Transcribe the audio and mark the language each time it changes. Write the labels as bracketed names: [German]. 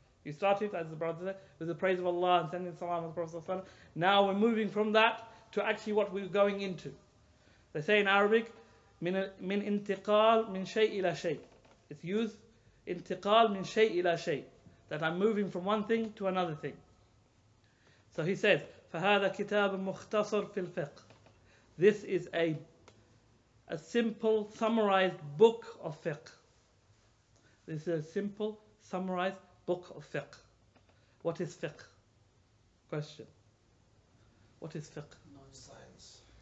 [English] You started, as the brother said, with the praise of Allah and sending salam to the Prophet. Now we're moving from that to actually what we're going into. They say in Arabic, [Arabic] min intiqal min shay ila shay. [English] It's used, [Arabic] intiqal min shay ila shay. [English] That I'm moving from one thing to another thing. So he says, [Arabic] فَهَذَا كِتَابٌ مُخْتَصَرٌ فِي الْفِقْهِ. [English] This is a simple summarized book of fiqh. This is a simple summarized book of fiqh. What is fiqh? Question. What is fiqh? Science.